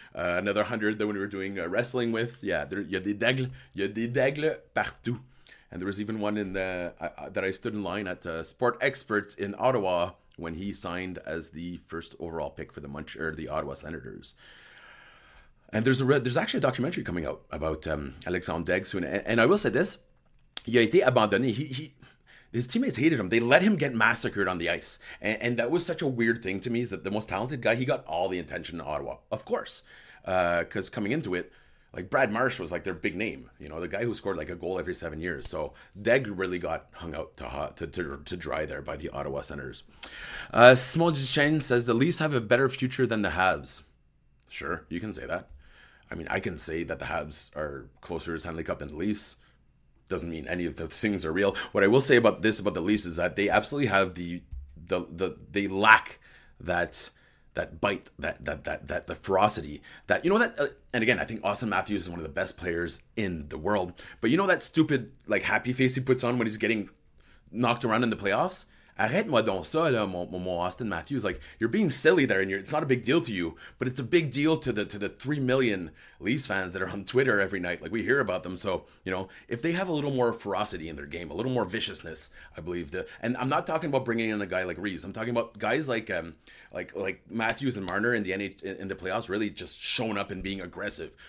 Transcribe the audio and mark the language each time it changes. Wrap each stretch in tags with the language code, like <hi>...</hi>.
<en>Another 100 that we were doing wrestling with. Yeah,</en> <fr>y a des daigles partout.</fr> <en>And there was even one in the that I stood in line at Sport Experts in Ottawa when he signed as the first overall pick for the Ottawa Senators. And there's actually a documentary coming out about Alexandre Daigle soon. And I will say this,</en> <fr>il a été abandonné.</fr> <en>His teammates hated him. They let him get massacred on the ice. And that was such a weird thing to me, is that the most talented guy, he got all the attention in Ottawa, of course. Because coming into it, like Brad Marsh was like their big name, you know, the guy who scored like a goal every 7 years. So Daigle really got hung out to dry there by the Ottawa Senators. Simon Duchesne says the Leafs have a better future than the Habs. Sure, you can say that. I mean, I can say that the Habs are closer to the Stanley Cup than the Leafs. Doesn't mean any of those things are real. What I will say about this, about the Leafs, is that they absolutely have they lack that bite, that ferocity, that, you know, that, and again, I think Austin Matthews is one of the best players in the world, but you know that stupid, like, happy face he puts on when he's getting knocked around in the playoffs?</en> <fr>Arrête-moi donc ça, là, mon Austin Matthews.</fr> <en>Like, you're being silly there, and it's not a big deal to you, but it's a big deal to the 3 million Leafs fans that are on Twitter every night. Like, we hear about them. So, you know, if they have a little more ferocity in their game, a little more viciousness, I believe. And I'm not talking about bringing in a guy like Reeves. I'm talking about guys like Matthews and Marner in the in the playoffs really just showing up and being aggressive.</en>